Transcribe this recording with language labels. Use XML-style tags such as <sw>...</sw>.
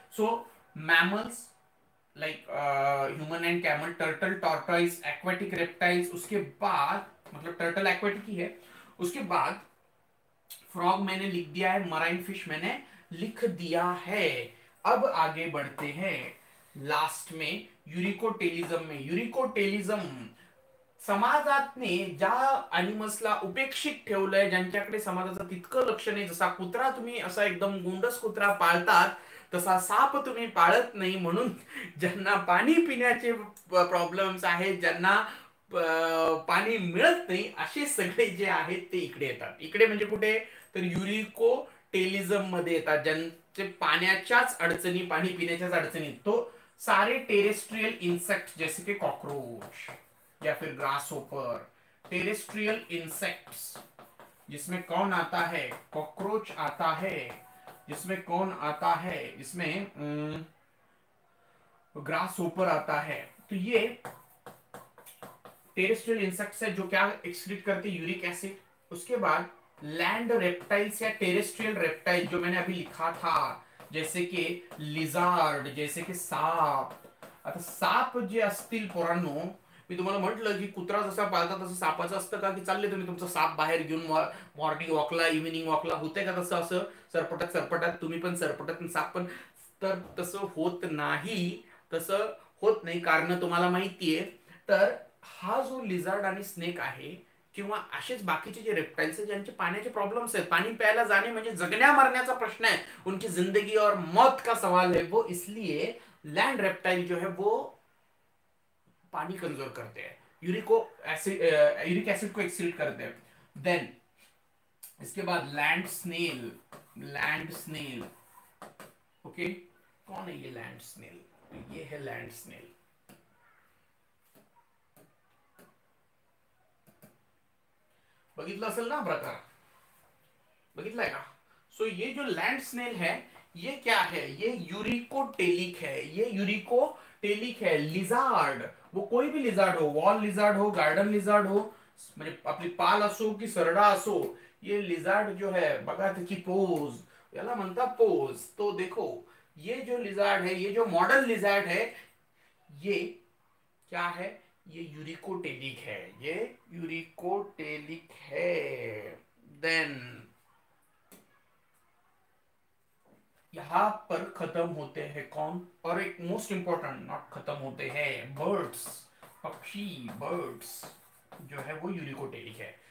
<hi>So mammals like human and camel, turtle tortoise, aquatic reptiles, उसके बाद मतलब turtle aquatic ही है, उसके बाद फ्रॉग मैंने लिख दिया है, मराइन फिश मैंने लिख दिया है. अब आगे बढ़ते हैं लास्ट में यूरिकोटेलिज्म में.</hi> <mr>यूरिकोटेलिज्म समाजात ने ज्या एनिमल्स ला उपेक्षित ठेवलंय, ज्यांच्याकडे समाजाचं तितकं लक्ष नाही, जसा कुत्रा तुम्ही असा एकदम गुंडस कुत्रा पाळतात तसा साप तुम्ही पाळत नाही, म्हणून ज्यांना पाणी पिण्याचे प्रॉब्लेम्स आहेत, ज्यांना पाणी मिळत नाही, असे सगळे जे आहेत ते इकडे येतात. इकडे म्हणजे कुठे, तर युरिको टेलिझम मध्ये येतात, ज्यांचे पाण्याच्याच अडचणी, पाणी पिण्याच्याच अडचणी.</mr> <hi>तो सारे टेरेस्ट्रियल इन्सेक्ट जसे की कॉक्रोच या फिर ग्रास होपर, टेरेस्ट्रियल इंसेक्ट्स जिसमें कौन आता है, कॉकरोच आता है, जिसमें कौन आता है, इसमें ग्रास होपर आता है. तो ये टेरेस्ट्रियल इंसेक्ट्स है जो क्या एक्सक्रीट करते, यूरिक एसिड. उसके बाद लैंड रेप्टाइल्स या टेरेस्ट्रियल रेप्टाइल जो मैंने अभी लिखा था, जैसे कि लिजार्ड, जैसे कि सांप.</hi> <mr>आता सांप जे असतील पुरानो, मी तुम्हाला म्हटलं की कुत्रा जसा पाळता तसं सापाचं असतं का, की चालले तुम्ही तुमचा साप बाहेर घेऊन मॉर्निंग वॉकला, इव्हिनिंग वॉकला, होते का तसं असं सरपटत सरपटत, तुम्ही पण सरपटत साप पण, तर तसं होत नाही, तसं होत नाही कारण तुम्हाला माहितीये. तर हा जो लिझार्ड आणि स्नेक आहे किंवा असेच बाकीचे जे रेप्टाइल्स आहेत ज्यांचे पाण्याचे प्रॉब्लेम्स आहेत, पाणी प्यायला जाणे म्हणजे जगण्या मरण्याचा प्रश्न आहे,</mr> <hi>उनकी जिंदगी और मौत का सवाल आहे, वो इसलिए लँड रेप्टाइल जो है वो पानी कंजर्व करते हैं,</hi> <mr>यूरिक एसिड को एक्सक्रीट करते हैं.</mr> <hi>देन इसके बाद land snail, land snail. Okay, कौन है ये लैंड स्नेल? ये है लैंड स्नेल.</hi> <mr>बघितला असेल ना प्रकार, बघितलाय का?</mr> <hi>सो ये जो लैंड स्नेल है ये क्या है, ये यूरिकोटेलिक है, ये यूरिकोटेलिक है. लिजार्ड, वो कोई भी लिजार्ड हो, वॉल लिजार्ड हो, गार्डन लिजार्ड हो,</hi> <mr>म्हणजे आपली पाल असो की सरडा असो,</mr> <hi>ये लिजार्ड जो है</hi> <mr>बघा त्याची पोज, याला म्हणतात पोज.</mr> <hi>तो देखो ये जो लिजार्ड है, ये जो मॉडल लिजार्ड है, ये क्या है, ये यूरिकोटेलिक है, ये यूरिकोटेलिक है. देन यहां पर खत्म होते हैं कौन, और एक मोस्ट इंपॉर्टेंट, नॉट खत्म होते हैं, बर्ड्स, पक्षी, बर्ड्स जो है वो यूरिकोटेलिक है.</hi>